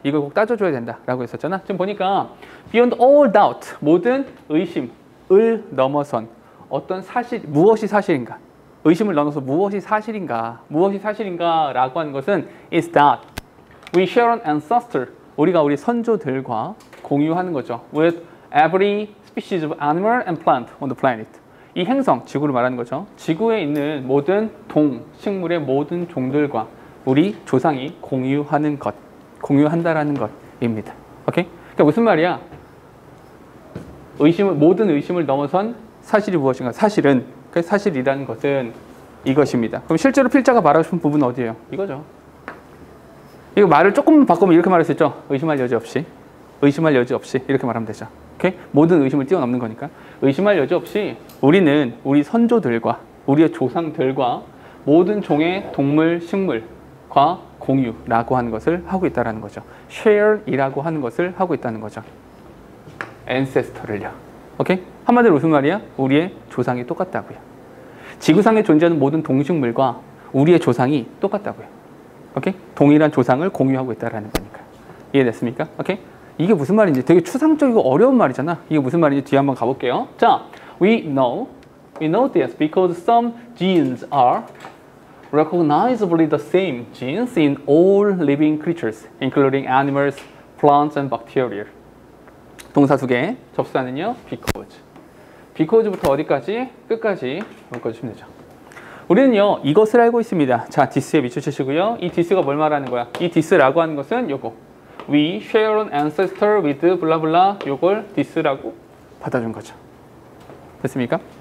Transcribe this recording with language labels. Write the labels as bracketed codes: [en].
[ko] 이걸 꼭 따져줘야 된다 라고 했었잖아. 지금 보니까 [en] beyond all doubt, [ko] 모든 의심을 넘어선 어떤 사실, 무엇이 사실인가? 의심을 넘어서 무엇이 사실인가? 무엇이 사실인가? 라고 하는 것은 [en] is that we share an ancestor. [ko] 우리가 우리 선조들과 공유하는 거죠. [en] With every species of animal and plant on the planet. [ko] 이 행성, 지구를 말하는 거죠. 지구에 있는 모든 동, 식물의 모든 종들과 우리 조상이 공유하는 것, 공유한다라는 것입니다. 오케이? 그러니까 무슨 말이야? 모든 의심을 넘어선 사실이 무엇인가? 사실은, 사실이라는 것은 이것입니다. 그럼 실제로 필자가 말하고 싶은 부분은 어디예요? 이거죠. 이거 말을 조금 바꾸면 이렇게 말할 수 있죠? 의심할 여지 없이. 의심할 여지 없이. 이렇게 말하면 되죠. 오케이? 모든 의심을 뛰어넘는 거니까. 의심할 여지 없이 우리는 우리 선조들과 우리의 조상들과 모든 종의 동물, 식물과 공유라고 하는 것을 하고 있다는 거죠. share이라고 하는 것을 하고 있다는 거죠. ancestor를요. 오케이? 한마디로 무슨 말이야? 우리의 조상이 똑같다고요. 지구상에 존재하는 모든 동식물과 우리의 조상이 똑같다고요. 오케이? 동일한 조상을 공유하고 있다라는 거니까. 이해됐습니까? 오케이? 이게 무슨 말인지 되게 추상적이고 어려운 말이잖아. 이게 무슨 말인지 뒤에 한번 가볼게요. 자, [en] we know this because some genes are recognizably the same genes in all living creatures, including animals, plants, and bacteria. [ko] 동사 두 개, 접사는요, because. because부터 어디까지? 끝까지 묶어주시면 되죠. 우리는요, 이것을 알고 있습니다. 자, this에 비춰주시고요. 이 this가 뭘 말하는 거야? 이 this라고 하는 것은 요거. [en] We share an ancestor with blah blah [ko] 요걸 this라고 받아준 거죠. 됐습니까?